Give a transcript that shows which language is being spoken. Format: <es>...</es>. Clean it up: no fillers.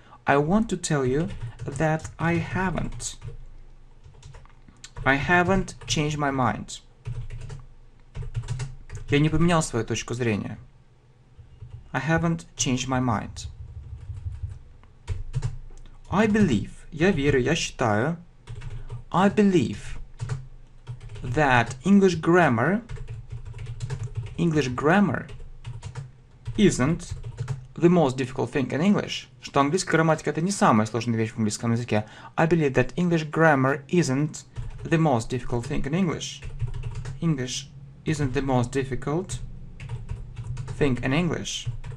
<en>I want to tell you that I haven't changed my mind.</en> <ru>Я не поменял свою точку зрения.</ru> <en>I haven't changed my mind. I believe.</en> <ru>Я верю, я считаю.</ru> <en>I believe that English grammar isn't the most difficult thing in English.</en> <ru>Что английская грамматика это не самая сложная вещь в английском языке.</ru> <en>I believe that English grammar isn't the most difficult thing in English. English isn't the most difficult thing in English.</en>